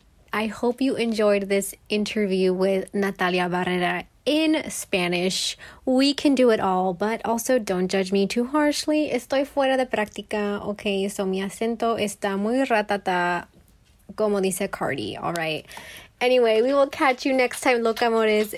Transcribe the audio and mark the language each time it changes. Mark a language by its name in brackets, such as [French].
[English] I hope you enjoyed this interview with Natalia Barrera in Spanish. We can do it all, but also don't judge me too harshly. [Spanish] Estoy fuera de práctica, okay? [English] So [Spanish] mi acento está muy ratata, como dice Cardi, [English] all right? Anyway, we will catch you next time, locamores.